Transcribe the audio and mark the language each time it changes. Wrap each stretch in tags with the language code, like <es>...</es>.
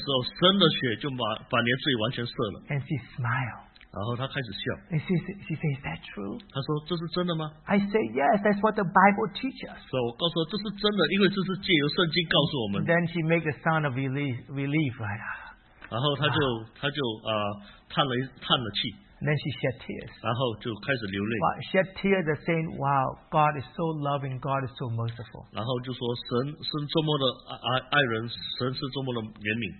<zh>所以我告诉她说,当你洗礼的时候,神的血就把你的罪完全赦了.</zh> <en>And she smiled. She says, is that true?</en> <zh>她说,这是真的吗?</zh> <en>I say, yes, that's what the Bible teaches.</en> <zh>So, 我告诉她,这是真的,因为这是藉由圣经告诉我们。</zh> <en>Then she makes a sound of relief, right?</en> <zh>然后她就叹了气。</zh> <en>Then she shed tears.</en> <zh>然后就开始流泪。</zh> <en>But shed tears are saying, wow, God is so loving, God is so merciful.</en> <zh>然后就说,神是多么的爱人,神是多么的怜悯。</zh>